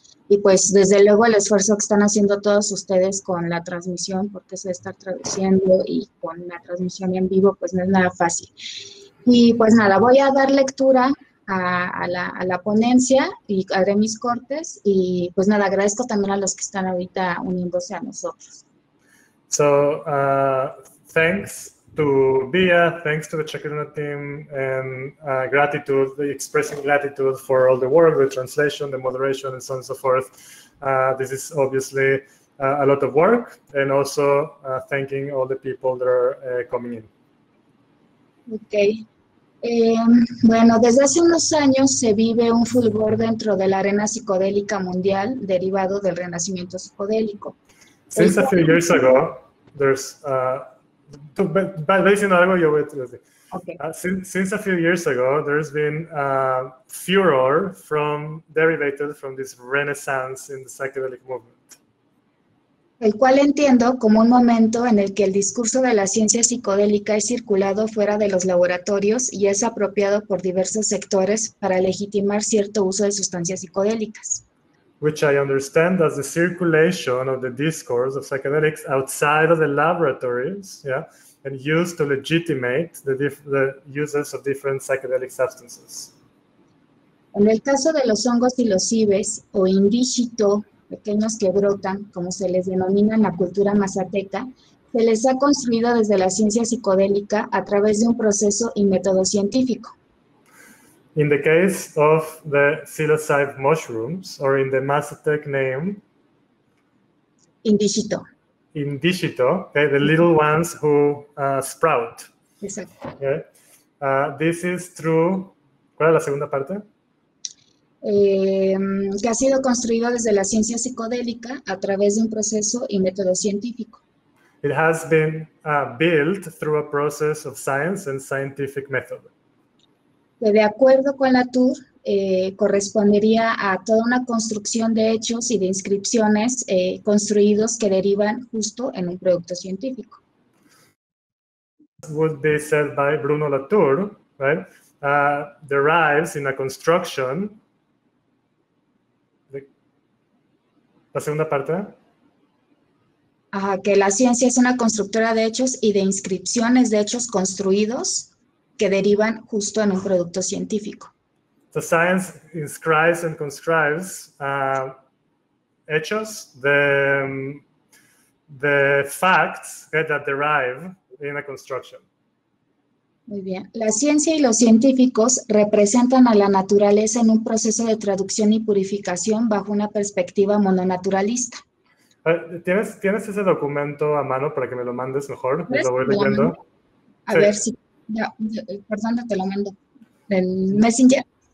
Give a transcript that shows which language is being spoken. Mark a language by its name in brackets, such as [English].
[Spanish] Y pues desde luego el esfuerzo que están haciendo todos ustedes con la transmisión, porque eso de estar traduciendo y con la transmisión en vivo, pues no es nada fácil. Y pues nada, voy a dar lectura a la ponencia y haré mis cortes. Y pues nada, agradezco también a los que están ahorita uniéndose a nosotros. [English] So, thanks to Bia, thanks to the Chacruna team, and gratitude, expressing gratitude for all the work, the translation, the moderation, and so on and so forth. This is obviously a lot of work, and also thanking all the people that are coming in. Okay. [Spanish] Bueno, desde hace unos años se vive un fulgor dentro de la arena psicodélica mundial derivado del renacimiento psicodélico. [English] Since a few years ago, there's... Since a few years ago, there's been a furor derivated from this renaissance in the psychedelic movement. [Spanish] El cual entiendo como un momento en el que el discurso de la ciencia psicodélica es circulado fuera de los laboratorios y es apropiado por diversos sectores para legitimar cierto uso de sustancias psicodélicas. [English] Which I understand as the circulation of the discourse of psychedelics outside of the laboratories, yeah, and used to legitimate the uses of different psychedelic substances. [Spanish] En el caso de los hongos psilocibes o indígito, pequeños que brotan, como se les denomina en la cultura mazateca, se les ha construido desde la ciencia psicodélica a través de un proceso y método científico. [English] In the case of the psilocybe mushrooms, or in the Mazatec name, indígito. Indígito, okay, the little ones who sprout. Exactly. Okay. This is through. [Spanish] ¿Cuál es la segunda parte? Que ha sido construido desde la ciencia psicodélica a través de un proceso y método científico. [English] It has been built through a process of science and scientific method. [Spanish] Que de acuerdo con Latour, correspondería a toda una construcción de hechos y de inscripciones construidos que derivan justo en un producto científico. [English] What they said by Bruno Latour, right? Derives in a construction. [Spanish] La segunda parte. Que la ciencia es una constructora de hechos y de inscripciones de hechos construidos que derivan justo en un producto científico. [English] The science inscribes and constructs hechos, the facts that derive in a construction. [Spanish] Muy bien. La ciencia y los científicos representan a la naturaleza en un proceso de traducción y purificación bajo una perspectiva mononaturalista. ¿Tienes ese documento a mano para que me lo mandes mejor? ¿Pues lo voy leyendo? A sí. Ver si... Ya, perdón, te lo mando. En Messenger.